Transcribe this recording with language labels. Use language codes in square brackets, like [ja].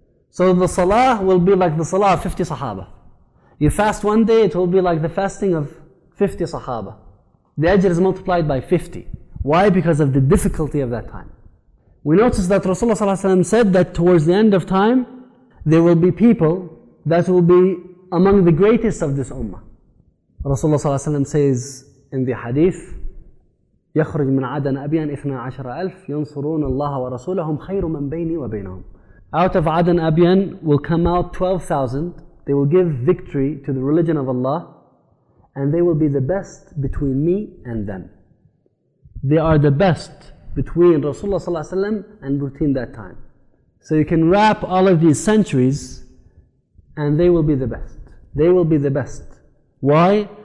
[en] So the salah will be like the salah of 50 Sahaba. You fast one day, it will be like the fasting of 50 Sahaba. The ajr is multiplied by 50. Why? Because of the difficulty of that time. We notice that Rasulullah ﷺ said that towards the end of time, there will be people that will be among the greatest of this ummah. Rasulullah ﷺ says in the hadith, [ar] يخرج من عدن أبيان 12,000 ينصرون الله ورسولهم خير من بيني وبينهم. [en] Out of Adan Abyan will come out 12,000. They will give victory to the religion of Allah, and they will be the best between me and them. They are the best between Rasulullah sallallahu alaihi wasallam and between that time. So you can wrap all of these centuries, and they will be the best. They will be the best. Why?